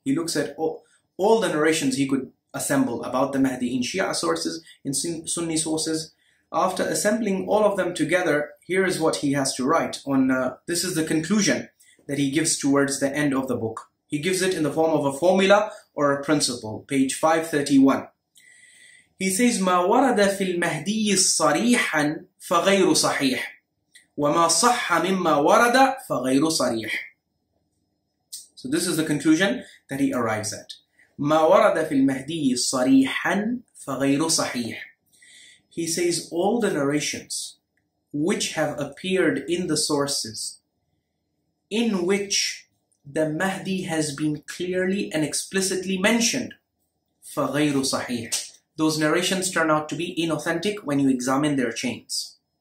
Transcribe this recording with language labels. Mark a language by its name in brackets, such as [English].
[English] He looks at all the narrations he could assemble about the Mahdi in Shia sources, in Sunni sources. After assembling all of them together, here is what he has to write. This is the conclusion that he gives towards the end of the book. He gives it in the form of a formula or a principle. Page 531. He says, [Arabic] مَا وَرَدَ فِي الْمَهْدِيِّ صَرِيحًا فَغَيْرُ صَحِيحٍ وَمَا صَحَّ مِمَّا وَرَدَ فَغَيْرُ صَرِيحٍ. [English] So this is the conclusion that he arrives at. [Arabic] مَا وَرَدَ فِي الْمَهْدِيِّ صَرِيحًا فَغَيْرُ صَحِيحٍ. [English] He says all the narrations which have appeared in the sources in which the Mahdi has been clearly and explicitly mentioned, [Arabic] فَغَيْرُ صَحِيحٍ, [English] those narrations turn out to be inauthentic when you examine their chains.